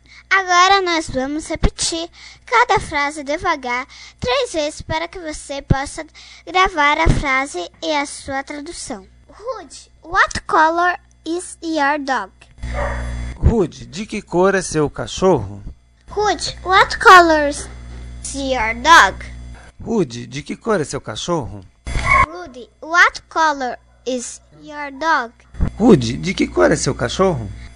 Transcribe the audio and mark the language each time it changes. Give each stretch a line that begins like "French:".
Portuguese: Agora nós vamos repetir cada frase devagar 3 vezes para que você possa gravar a frase e a sua tradução.
English: Rudy, what color is your dog?
Portuguese: Rudy, de que cor é seu cachorro?
English: Rudy, what color is your dog?
Portuguese: Rudy, de que cor é seu cachorro?
English: Rudy, what color is your dog?
Portuguese: Rudy, de que cor é seu cachorro?